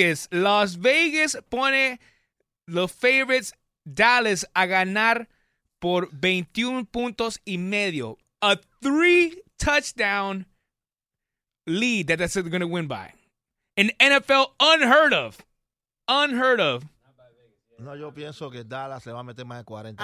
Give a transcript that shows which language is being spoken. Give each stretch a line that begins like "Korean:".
Spanish: Las Vegas pone los favorites Dallas a ganar por 21 puntos y medio.
English: A 3-touchdown lead that they're going to win by. An NFL unheard of. Unheard of.
Spanish: No, yo pienso que Dallas le va a meter más de 40